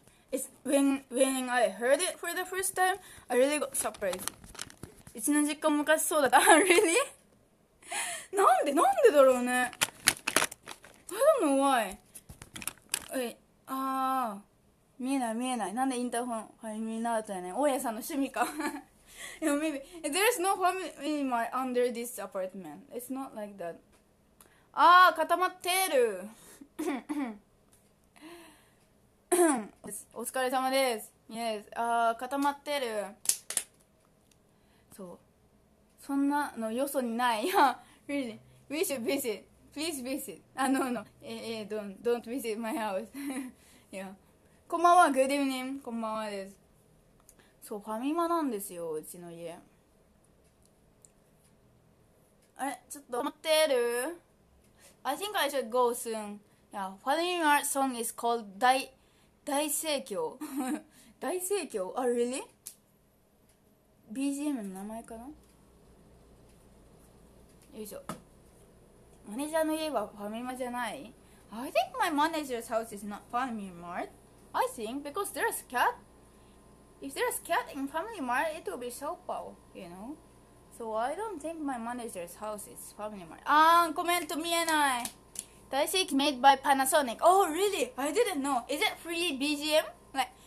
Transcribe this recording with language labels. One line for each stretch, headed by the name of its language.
English: It's when I heard it for the first time, I really got surprised.
Japanese: うちの実家昔そうだった。
English: really?
Japanese: なんで、なんでだろうね。
English: I don't know why.
Japanese: え、あー、見えない、見えない。なんでインターホン、ファミマになったよね。大家さんの趣味か。
English: Yeah, maybe. There is no family mart under this apartment. It's not like that. Ah, 固まってる。
Japanese: お疲れ様です。Yes. Ah, 固まってる。そう。そんなのよそにない。
English: Yeah, really. We should visit. Please visit. Ah, no. Don't visit my house. yeah.
Japanese: こんばんは。
English: Good evening.
Japanese: こんばんはです。そう、ファミマなんですよ、うちの家。あれ、ちょっと待ってる。
English: I think I should go soon. Yeah, Family Mart song is called 大盛況。大盛況？あ、really?
Japanese: BGM の名前かな？よいしょ。マネージャーの家はファミマじゃない？
English: I think my manager's house is not Family Mart. I think because there's a cat. If there's cat in Family Mart, it will be Shoppo, you know? So I don't think my manager's house is Family Mart. Ah, comment
Japanese: 見えない。
English: 大盛況 made by Panasonic. Oh, really? I didn't know. Is it free BGM? Like,